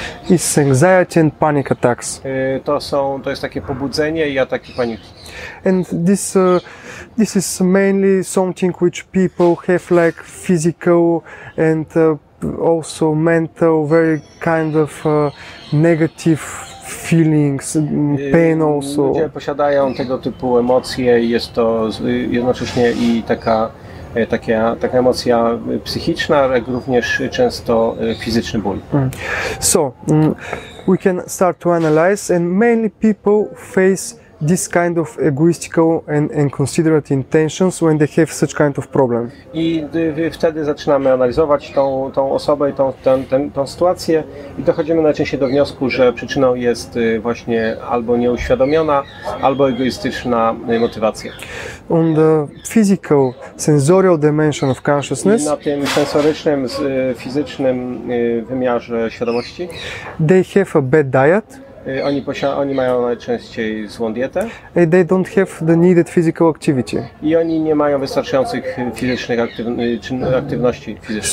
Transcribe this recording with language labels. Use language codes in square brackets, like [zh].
[en] is anxiety and panic attacks. [pl] To jest takie pobudzenie i ataki paniki. [en] And this is mainly something which people have like physical and also mental very kind of negative feelings, pain also. [pl] Ludzie posiadają tego typu emocje i jest to jednocześnie i taka emocja psychiczna, jak również często fizyczny ból. [en] So, we can start to analyze and mainly people face this kind of egoistical and inconsiderate intentions when they have such kind of problem. [pl] I wtedy zaczynamy analizować tą osobę i tą sytuację i dochodzimy najczęściej do wniosku, że przyczyną jest właśnie albo nieuświadomiona, albo egoistyczna motywacja. [en] On the physical sensorial dimension of consciousness. [pl] I na tym sensorycznym, fizycznym wymiarze świadomości. [en] They have a bad diet. [pl] Oni mają najczęściej złą dietę. [en] And they don't have the needed physical activity. [pl] I oni nie mają wystarczających fizycznych aktywności fizycznych.